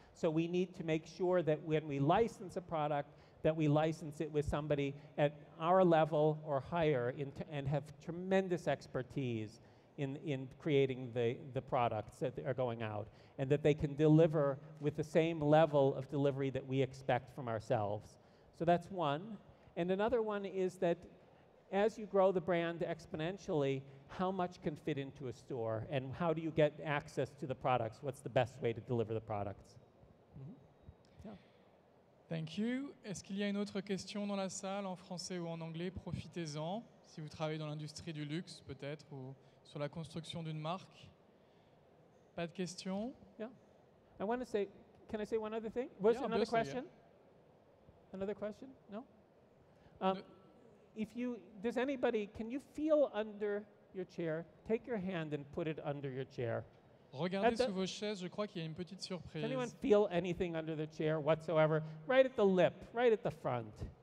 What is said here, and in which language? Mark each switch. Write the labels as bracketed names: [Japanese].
[English] So we need to make sure that when we license a product, that we license it with somebody at our level or higher and have tremendous expertise in creating the products that are going out, and that they can deliver with the same level of delivery that we expect from ourselves. So that's one. And another one is that as you grow the brand exponentially, how much can fit into a store, and how do you get access to the products? What's the best way to deliver the products? Thank you. [French] Est-ce qu'il y a une autre question dans la salle, en français ou en anglais? Profitez-en. Si vous travaillez dans l'industrie du luxe, peut-être, ou sur la construction d'une marque. Pas de question? [English] Yeah. I want to say, can I say one other thing? Was there another question? Yeah. Another question? No? Does anybody, can you feel under your chair? Take your hand and put it under your chair. [French] Regardez sous vos chaises, je crois qu'il y a une petite surprise. [English] Can anyone feel anything under the chair whatsoever? Right at the lip, right at the front.